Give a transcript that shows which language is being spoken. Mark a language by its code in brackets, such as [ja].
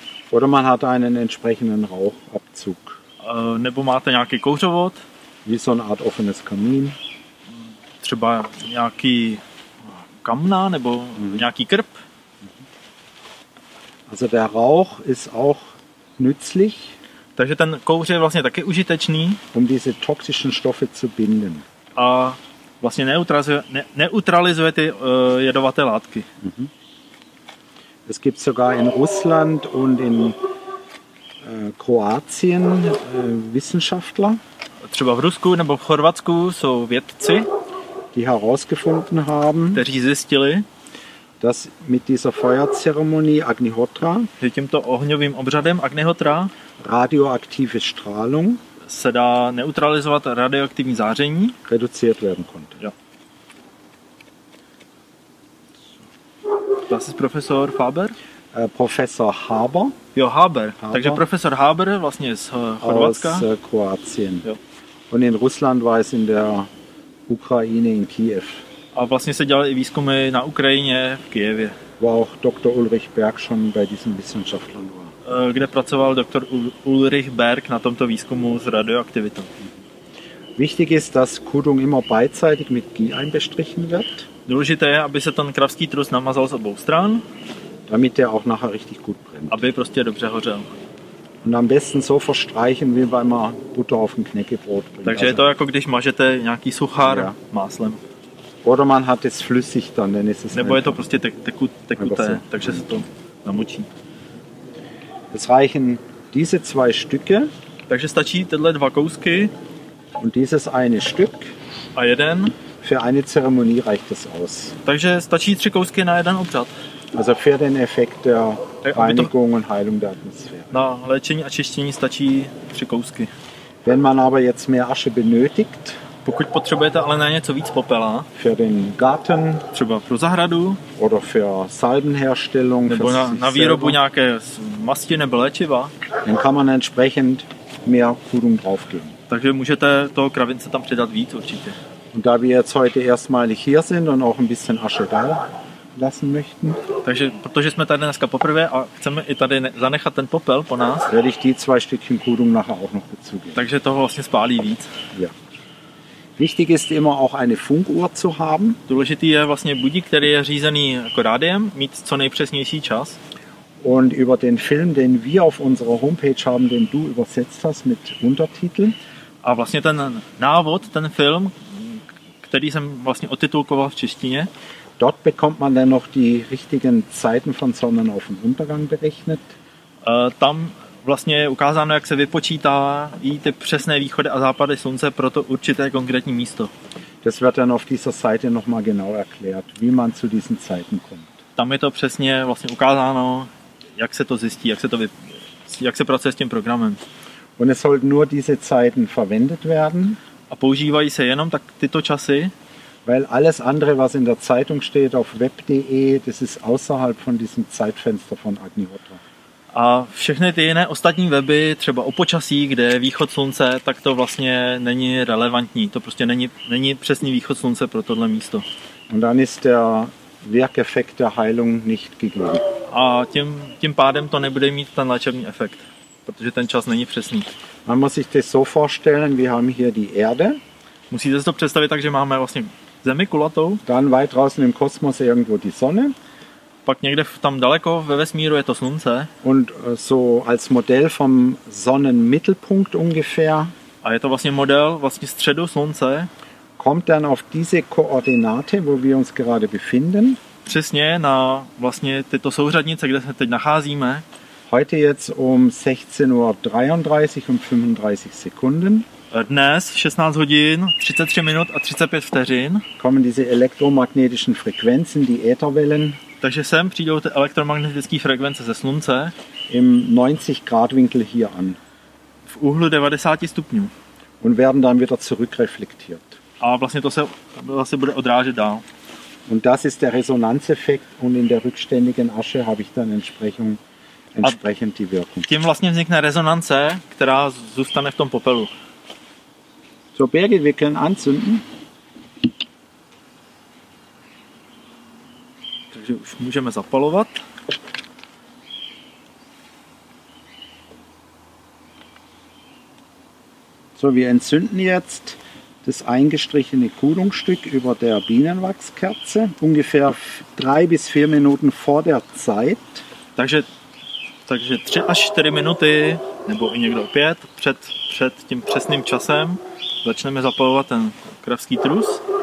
[de] Oder man hat einen entsprechenden Rauchabzug. [cs] Nebo máte nějaký kouřovod. [de] Wie so eine Art offenes Kamin. [cs] Třeba nějaký kamna nebo nějaký krb. [de] Also der Rauch ist auch nützlich. [cs] Takže ten kouř je vlastně taky užitečný. [de] Um diese toxischen Stoffe zu binden. [cs] A vlastně neutralizuje ty jedovaté látky. [de] Es gibt sogar in Russland und in Kroatien Wissenschaftler. [cs] Třeba v Rusku nebo v Chorvatsku jsou vědci, [de] die herausgefunden haben, [cs] kteří zjistili, [de] dass mit dieser Feuerzeremonie Agnihotra, [cs] že tímto ohňovým obřadem Agnihotra, [de] radioaktive Strahlung, [cs] se dá neutralizovat radioaktivní záření, [de] reduziert werden konnte. Ja. Das ist Professor Faber? Professor Haber. [cs] Jo, Haber. Takže profesor Haber vlastně z Chorvatska. [de] Aus Kroatien. Und in Russland war es in der Ukraine in Kiew. [cs] A vlastně se dělali i výzkumy na Ukrajině v Kijevě. [de] Wo auch Dr. Ulrich Berg schon bei diesen Wissenschaftlern war. [cs] Kde pracoval Dr. Ulrich Berg na tomto výzkumu s radioaktivitou. [de] Wichtig ist, dass Kodung immer beidseitig mit G einbestrichen wird. [cs] Důležité je, aby se ten kravský trus namazal z obou stran. [de] Damit der auch nachher richtig gut brennt. [cs] Aby prostě dobře hořel. [de] Und am besten so verstreichen, wie wenn man Butter auf ein Knäckebrot bringt. [cs] Takže je to jako když mažete nějaký suchár máslem. [de] Oder man hat es flüssig dann, denn es ist... [cs] Nebo je to prostě tekuté, takže se to namočí. [de] Es reichen diese zwei Stücke. [cs] Takže stačí tyhle dva kousky. [de] Und dieses eine Stück. [cs] A jeden. [de] Für eine Zeremonie reicht es aus. [cs] Takže stačí tři kousky na jeden obřad. [de] Also für den Effekt der Reinigung und Heilung der Atmosphäre. [cs] Na léčení a čištění stačí tři kousky. [de] Wenn man aber jetzt mehr Asche benötigt. [cs] Pokud potřebujete ale na něco víc popela. [de] Für den Garten. [cs] Třeba pro zahradu. [de] Oder für Salbenherstellung. [cs] Nebo [de] für [cs] na výrobu nějaké masti nebo léčiva. [de] Dann kann man entsprechend mehr Kudung draufgeben. [cs] Takže můžete toho kravince tam přidat víc určitě. [de] Und da wir jetzt heute erstmalig hier sind und auch ein bisschen Asche da lassen möchten. [cs] Takže protože jsme tady dneska poprvé a chceme i tady zanechat ten popel po nás. [de] Werde ich die zwei Stückchen Kudung nachher auch noch dazugeben. [cs] Takže toho vlastně spálí víc. [de] Ja. Wichtig ist immer auch eine Funkuhr zu haben. [cs] Důležitý je vlastně budík, který je řízený jako rádiem, mít co nejpřesnější čas. [de] Und über den Film, den wir auf unserer Homepage haben, den du übersetzt hast mit Untertiteln. [cs] A vlastně ten návod, ten film, který jsem vlastně otitulkoval v češtině. [de] Dort bekommt man dann noch die richtigen Zeiten von Sonnenaufenuntergang berechnet. [cs] Tam vlastně je ukázáno, jak se vypočítá i ty přesné východy a západy slunce pro to určité konkrétní místo. [de] Das wird dann auf dieser Seite noch mal genau erklärt, wie man zu diesen Zeiten kommt. [cs] Tam je to přesně vlastně ukázáno, jak se to zjistí, jak se pracuje s tím programem. [de] Und es sollten nur diese Zeiten verwendet werden. [cs] A používají se jenom tak tyto časy. [de] Weil alles andere, was in der Zeitung steht auf web.de, das ist außerhalb von diesem Zeitfenster von Agnihotra. [cs] A všechny ty jiné ostatní weby, třeba o počasí, kde je východ slunce, tak to vlastně není relevantní. To prostě není přesný východ slunce pro tohle místo. [de] Und dann ist der Wirkeffekt der Heilung nicht gegeben. [cs] A tím pádem to nebude mít ten léčebný efekt, protože ten čas není přesný. [de] Man muss sich das so vorstellen, wir haben hier die Erde. [cs] Musíte si to představit tak, že máme vlastně Zemi kulatou. [de] Dann weit draußen im Kosmos irgendwo die Sonne. [cs] Pak někde tam daleko ve vesmíru je to slunce. [de] Und so als Modell vom Sonnenmittelpunkt ungefähr. [cs] A je to vlastně model vlastně středu slunce. [de] Kommt dann auf diese Koordinate, wo wir uns gerade befinden. [cs] Přesně na vlastně tyto souřadnice, kde se teď nacházíme. [de] Heute jetzt um 16.33 und 35 Sekunden. [cs] Dnes 16 hodin, 33 minut a 35 vteřin. [de] Kommen diese elektromagnetischen Frequenzen, die Ätherwellen. [cs] Takže sem přijdou ty elektromagnetické frekvence ze slunce. [de] Im 90 Grad Winkel hier an. [cs] V úhlu 90 stupňů. [de] Und werden dann wieder zurückreflektiert. [cs] A vlastně to se vlastně bude odrážet dál. [de] Und das ist der Resonanzeffekt und in der rückständigen Asche habe ich dann entsprechend die Wirkung. [cs] Tím vlastně vznikne rezonance, která zůstane v tom popelu. [de] So, Birgit, wir können anzünden. [cs] Takže už můžeme zapalovat. [de] So, wir entzünden jetzt das eingestrichene Kudungstück über der Bienenwachskerze, ungefähr 3-4 Minuten vor der Zeit. [cs] Takže 3-4 minuty, nebo i někdo 5, před tím přesným časem začneme zapalovat ten kravský trus.